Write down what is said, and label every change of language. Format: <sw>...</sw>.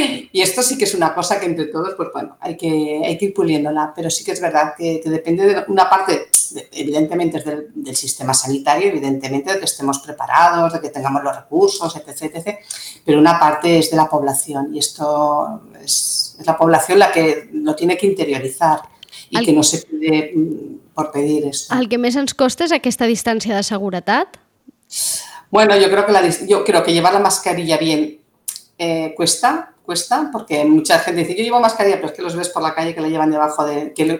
<es>Y esto sí que es una cosa que entre todos, pues bueno, hay que ir puliéndola, pero sí que es verdad que depende de una parte, evidentemente es del sistema sanitario, evidentemente de que estemos preparados, de que tengamos los recursos, etc., etc., pero una parte es de la población y esto es la población la que lo tiene que interiorizar y que no se pide por pedir esto.</es> <ca>¿El que més ens costa és aquesta distància de seguretat?</ca> <es>Bueno, yo creo que llevar la mascarilla bien cuesta, porque mucha gente dice, yo llevo mascarilla, pero es que los ves por la calle que la llevan debajo de...</es>